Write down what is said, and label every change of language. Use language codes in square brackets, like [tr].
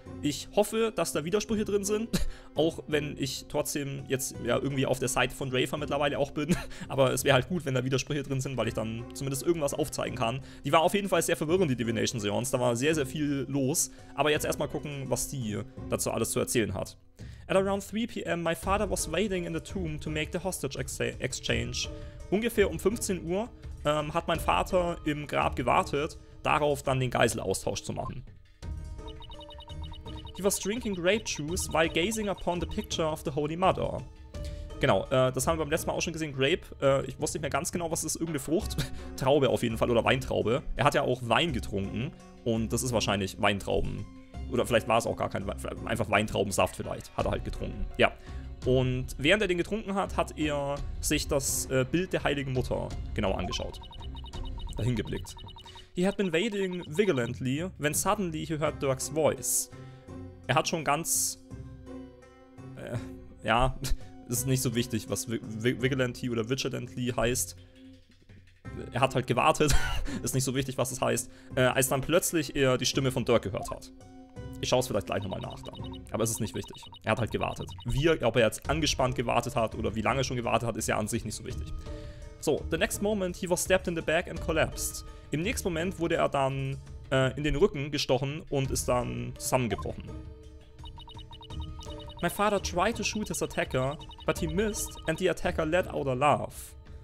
[de] Ich hoffe, dass da Widersprüche drin sind, auch wenn ich trotzdem jetzt ja irgendwie auf der Seite von Rafer mittlerweile auch bin. Aber es wäre halt gut, wenn da Widersprüche drin sind, weil ich dann zumindest irgendwas aufzeigen kann. Die war auf jeden Fall sehr verwirrend, die Divination Seance. Da war sehr, sehr viel los. Aber jetzt erstmal gucken, was die dazu alles zu erzählen hat. [en] At around 3 PM, my father was waiting in the tomb to make the hostage exchange. [de] Ungefähr um 15 Uhr hat mein Vater im Grab gewartet, darauf dann den Geiselaustausch zu machen. [en] He was drinking grape juice while gazing upon the picture of the Holy Mother. [de] Genau, das haben wir beim letzten Mal auch schon gesehen, Grape. Ich wusste nicht mehr ganz genau, was ist, irgendeine Frucht. Traube auf jeden Fall, oder Weintraube. Er hat ja auch Wein getrunken und das ist wahrscheinlich Weintrauben. Oder vielleicht war es auch gar kein Wein, einfach Weintraubensaft vielleicht, hat er halt getrunken. Ja, und während er den getrunken hat, hat er sich das Bild der Heiligen Mutter genau angeschaut. Dahin geblickt. [en] He had been waiting vigilantly, when suddenly he heard Dirk's voice. [de] Er hat schon ganz... ja, es ist nicht so wichtig, was vigilantly oder vigilantly heißt. Er hat halt gewartet, ist nicht so wichtig, was es heißt. Als dann plötzlich er die Stimme von Dirk gehört hat. Ich schaue es vielleicht gleich nochmal nach dann. Aber es ist nicht wichtig. Er hat halt gewartet. Wie, ob er jetzt angespannt gewartet hat oder wie lange schon gewartet hat, ist ja an sich nicht so wichtig. [en] So, the next moment he was stabbed in the back and collapsed. [de] Im nächsten Moment wurde er dann in den Rücken gestochen und ist dann zusammengebrochen. [en] My father tried to shoot his attacker, but he missed and the attacker let out a laugh.